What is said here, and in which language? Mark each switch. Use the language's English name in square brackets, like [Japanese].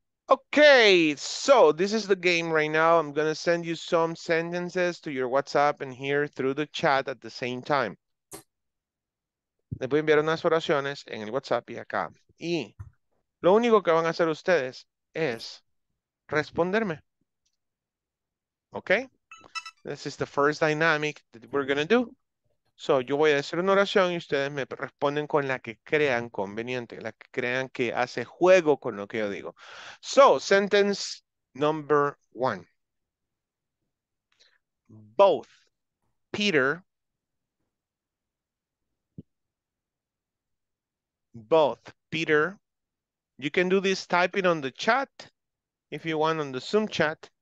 [English] Okay, so this is the game right now. I'm going to send you some sentences to your WhatsApp and here through the chat at the same time. [Spanish] Les voy a enviar unas oraciones en el WhatsApp y acá. Y lo único que van a hacer ustedes es responderme. [English] Okay? This is the first dynamic that we're going to do. So, [Spanish] yo voy a hacer una oración y ustedes me responden con la que crean conveniente, la que crean que hace juego con lo que yo digo. [English] So, sentence number one. Both Peter, you can do this typing on the chat if you want on the Zoom chat.